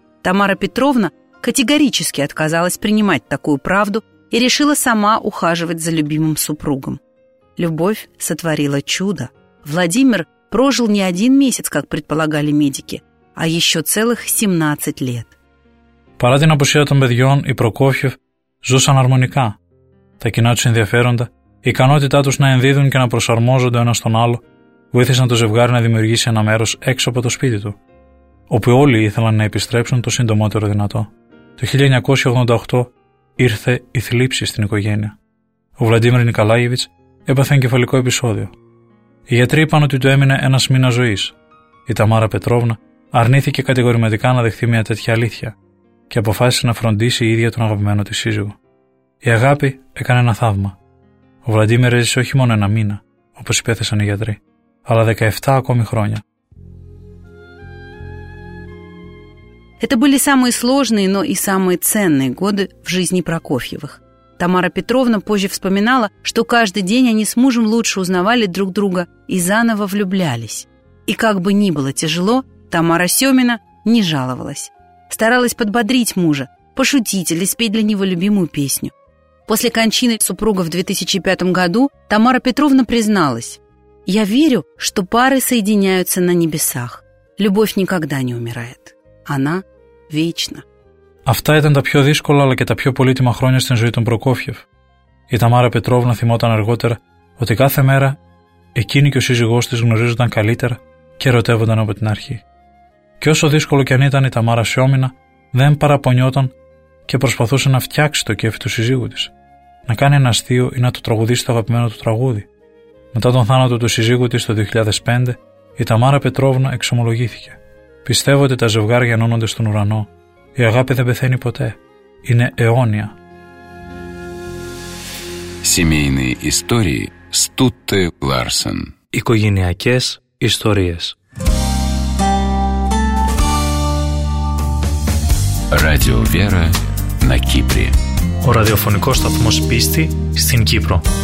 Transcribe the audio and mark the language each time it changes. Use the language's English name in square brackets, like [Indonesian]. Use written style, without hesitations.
[Russian] Тамара Петровна категорически отказалась принимать такую правду и решила сама ухаживать за любимым супругом. Любовь сотворила чудо. Владимир прожил не один месяц, как предполагали медики, а еще целых 17 лет. [Greek] Пара την апусία των παιδιών, οι Προκόφιев ζούσαν αρμονικά. Τα κοινά τους ενδιαφέροντα, η ικανότητά τους να ενδίδουν και να προσαρμόζονται ο ένας τον άλλο, βοήθησαν το ζευγάρι να δημιουργήσει ένα μέρος έξω από το σπίτι του, όπου όλοι ήθελαν να επιστρέψουν το συντομότερο δυνατό. Το 1988 ήρθε η θλίψη στην οικογένεια. Ο Βλαντίμιρ Νικολάγεβιτς έπαθε εγκεφαλικό επεισόδιο. Οι γιατροί είπαν ότι του έμεινε ένας μήνας ζωής. Η Ταμάρα Πετρόβνα αρνήθηκε κατηγορηματικά να δεχθεί μια τέτοια αλήθεια και αποφάσισε να φροντίσει η ίδια τον αγαπημένο της σύζυγο. Η αγάπη έκανε ένα θαύμα. Ο Βλαντίμιρ έζησε όχι μόνο ένα μήνα, όπως υπέθεσαν οι γιατροί, αλλά 17 ακόμη χρόνια. [Russian] Это были самые сложные, но и самые ценные годы в жизни Прокофьевых. Тамара Петровна позже вспоминала, что каждый день они с мужем лучше узнавали друг друга и заново влюблялись. И как бы ни было тяжело, Тамара Семина не жаловалась. Старалась подбодрить мужа, пошутить или спеть для него любимую песню. После кончины супруга в 2005 году Тамара Петровна призналась: «Я верю, что пары соединяются на небесах. Любовь никогда не умирает. Она вечна». [Greek] Αυτά ήταν τα πιο δύσκολα αλλά και τα πιο πολύτιμα χρόνια στην ζωή των Προκόφιεφ. Η Ταμάρα Πετρόβνα θυμόταν αργότερα ότι κάθε μέρα εκείνη και ο σύζυγός της γνωρίζονταν καλύτερα και ερωτεύονταν από την αρχή. Και όσο δύσκολο και αν ήταν η Ταμάρα Σιόμινα, δεν παραπονιόταν και προσπαθούσε να φτιάξει το κέφι του σύζυγου της. Να κάνει ένα αστείο ή να το τραγουδήσει το αγαπημένο του τραγούδι. Μετά τον θάνατο του σύζυγου της το 2005, η Ταμάρα Πετρόβνα εξομολογήθηκε. Πιστεύω ότι τα ζευγάρια ενώνονται στον ουρανό. Η αγάπη δεν πεθαίνει ποτέ. Είναι αιώνια. [Russian] Семейные истории Стутте Ларсен. [Greek] Οικογενειακές ιστορίες. [Russian] Радио Вера на Кипре. [Greek] Ο ραδιοφωνικός σταθμός πίστη στην Κύπρο.